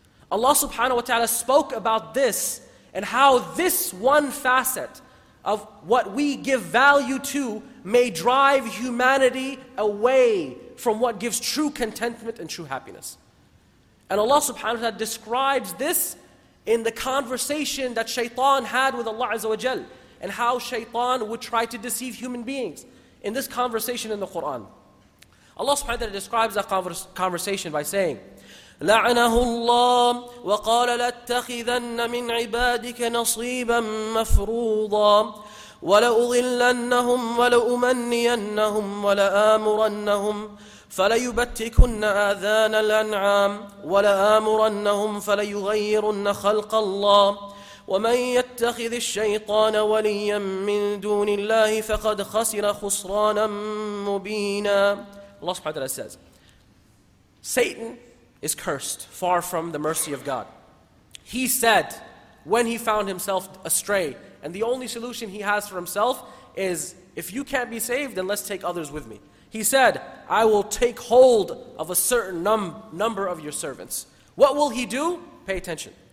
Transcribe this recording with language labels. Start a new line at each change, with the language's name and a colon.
English: Allah subhanahu wa ta'ala spoke about this and how this one facet of what we give value to may drive humanity away from what gives true contentment and true happiness. And Allah subhanahu wa ta'ala describes this in the conversation that shaitan had with Allah azza wa jal and how shaitan would try to deceive human beings in this conversation in the Quran. Allah subhanahu wa ta'ala describes that conversation by saying,
Arabic: لعنه الله وقال لاتخذن من عبادك نصيبا مفروضا ولأضلنهم ولأمنينهم ولآمرنهم فليبتكن آذان الأنعام ولآمرنهم فليغيرن خلق الله ومن يتخذ الشيطان وليا من دون الله فقد خسر خسرانا مبينا. الله سبحانه وتعالى
English: says, Satan is cursed, far from the mercy of God. He said, when he found himself astray, and the only solution he has for himself is, if you can't be saved, then let's take others with me. He said, I will take hold of a certain number of your servants. What will he do? Pay attention.